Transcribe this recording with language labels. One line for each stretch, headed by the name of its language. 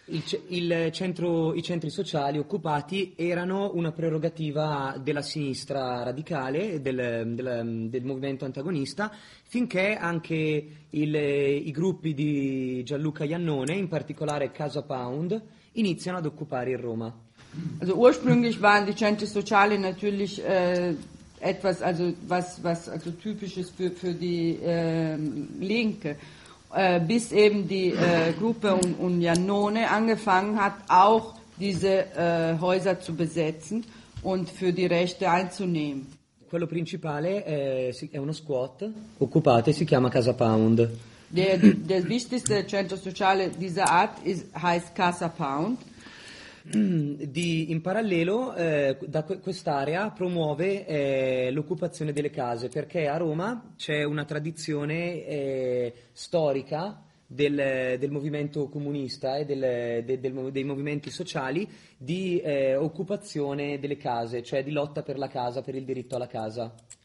Italian: I centri sociali occupati erano una prerogativa della sinistra radicale, del movimento antagonista, finché anche i gruppi di Gianluca Iannone, in particolare Casa Pound, iniziano ad occupare il Roma.
German: Also ursprünglich waren die Centri Sociali natürlich etwas, also was also typisches für die Linke, bis eben die Gruppe um Iannone angefangen hat, auch diese Häuser zu besetzen und für die Rechte einzunehmen.
Italian: Quello principale è uno squat occupato e si chiama Casa Pound.
German: Der wichtigste Centro Sociale dieser Art heißt Casa Pound.
Italian: In parallelo da quest'area promuove l'occupazione delle case perché a Roma c'è una tradizione storica del movimento comunista e dei movimenti sociali di occupazione delle case, cioè di lotta per la casa, per il diritto alla casa.